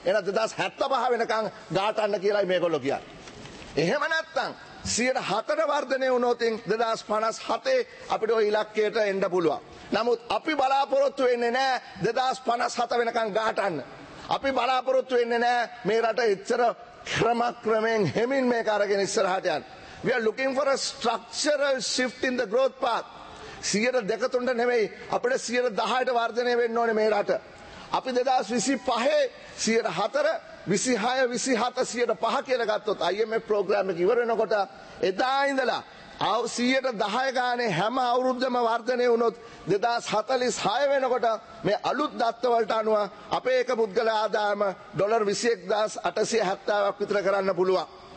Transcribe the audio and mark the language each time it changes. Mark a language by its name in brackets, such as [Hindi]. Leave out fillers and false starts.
[Sinhala] එහෙනම් 2075 වෙනකන් ගාටන්න කියලායි මේගොල්ලෝ කියන්නේ. එහෙම නැත්නම් 104 වර්ධනය වුණොත් 2057 අපිට ওই ඉලක්කයට එන්න පුළුවන්. නමුත් අපි බලාපොරොත්තු වෙන්නේ නැහැ 2057 වෙනකන් ගාටන්න. අපි බලාපොරොත්තු වෙන්නේ නැහැ මේ රට එච්චර ක්‍රමක්‍රමයෙන් හැමින් මේක අරගෙන ඉස්සරහට යන්න. [English] We are looking for a structural shift in the growth path. [Sinhala] 2023 නෙමෙයි අපිට 2010ට වර්ධනය වෙන්න ඕනේ මේ රට. අපි 2025 2004 26 27 2005 කියලා ගත්තොත් IMF ප්‍රෝග්‍රෑම් එක ඉවර වෙනකොට එදා ඉඳලා 2010 ගානේ හැම අවුරුද්දම වර්ධනය වුණොත් 2046 වෙනකොට මේ අලුත් දත්ත වලට අනුව අපේ එක පුද්ගල ආදායම ඩොලර් 21,870ක් විතර කරන්න පුළුවන්.